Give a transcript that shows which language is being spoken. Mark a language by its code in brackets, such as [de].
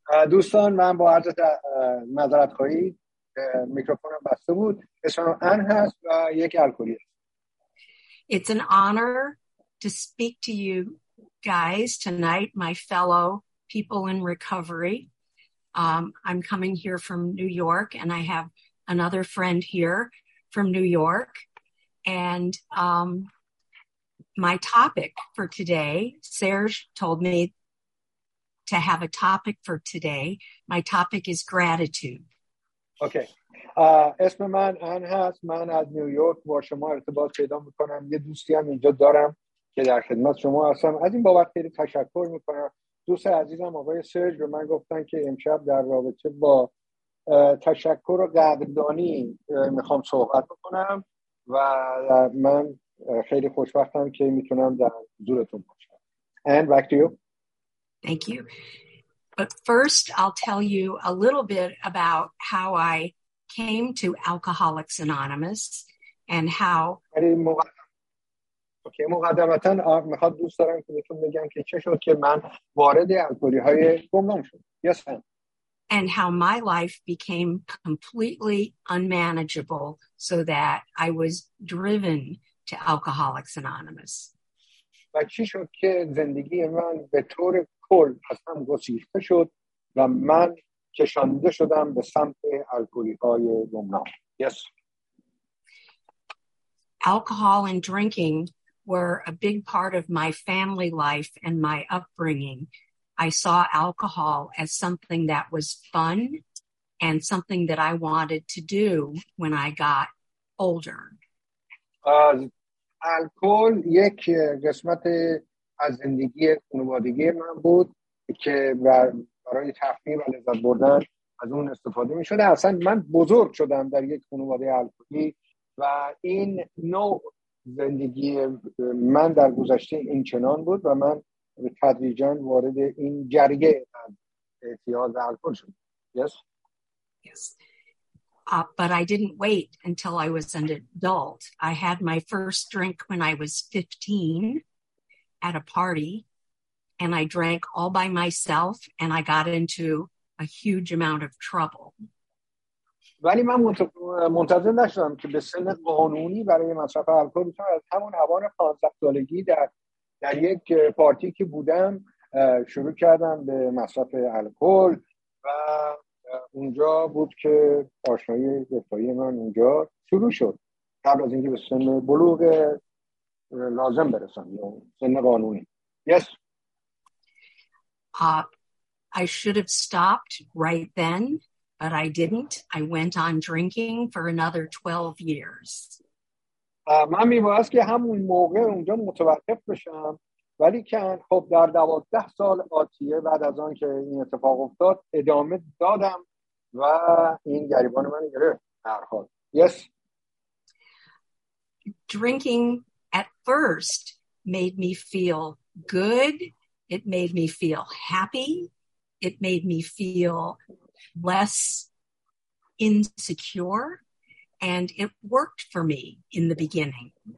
[fa] دوستان من با عرض معذرت خواهی میکروفونم بسته بود. اسمم آن هست و یک الکلیه. [en] It's an honor to speak to you guys tonight, my fellow people in recovery. I'm coming here from New York, and I have another friend here from New York. And my topic for today, Serge told me to have a topic for today. My topic is gratitude. Okay. [fa] اسم من آن هست، من از نیویورک با شما ارتباط پیدا میکنم، یه دوستی هم اینجا دارم که در خدمت شما هستم. از این بابت خیلی تشکر میکنم. دوست عزیزم آقای سرج به من گفتن که امشب در رابطه با تشکر و قدردانی میخوام صحبت کنم و من خیلی خوشبختم که میتونم در حضورتون باشم. [en] And back to you. Thank you. But first I'll tell you a little bit about how I came to Alcoholics Anonymous and how [fa] Okay, مقدمتاً میخواد دوست دارم که بهتون بگم که چه شد که من وارد الکلی‌های گمنام شدم. [en] Yes, ma'am. And how my life became completely unmanageable so that I was driven to Alcoholics Anonymous. [fa] و چی شد که زندگی من به طور کل اصلا گسیخته شد و من کشانده شدم به سمت الکلی‌های گمنام. [en] Yes. Alcohol and drinking were a big part of my family life and my upbringing. I saw alcohol as something that was fun and something that I wanted to do when I got older. [fa] الکل یک قسمت از زندگی خانوادگی من بود که برای تفریح و لذت بردن از اون استفاده می شده. اصلا من بزرگ شدم در یک خانواده الکلی و این نوع زندگی من در گذشته این چنان بود و من تدریجا وارد این جریه اعتیاد به الکل شدم. [en] Yes. Yes. But I didn't wait until I was an adult. I had my first drink when I was 15 at a party. And I drank all by myself, and I got into a huge amount of trouble. [fa] ولی من منتظر نشدم که به سن قانونی برای مصرف الکل بشم. از همون اوان 15 سالگی در یک پارتی که بودم شروع کردم به مصرف الکل و اونجا بود که آشنایی دفاعی من اونجا شروع شد. قبل از اینکه به سن بلوغ لازم برسم یا سن قانونی. [en] Yes. I should have stopped right then, but I didn't. I went on drinking for another 12 years. [fa] من می‌خواستم که همون موقع اونجا متوقف بشم، ولی که خب در 12 سال آتیه بعد از آن که این اتفاق افتاد ادامه دادم و این گریبان من گرفت در حال. [en] Yes. Drinking at first made me feel good. It made me feel happy. It made me feel less insecure. And it worked for me in the beginning.